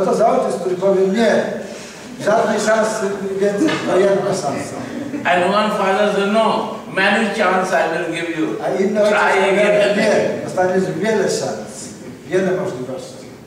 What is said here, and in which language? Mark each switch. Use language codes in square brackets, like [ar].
[pl] Co to za ojciec, który powie nie? Żadnej szansy więcej, no jedna szansa. [en] And one father said no, many chance I will give you. [pl] A inny ojciec powie nie, dostaniesz wiele szans, wiele możliwości.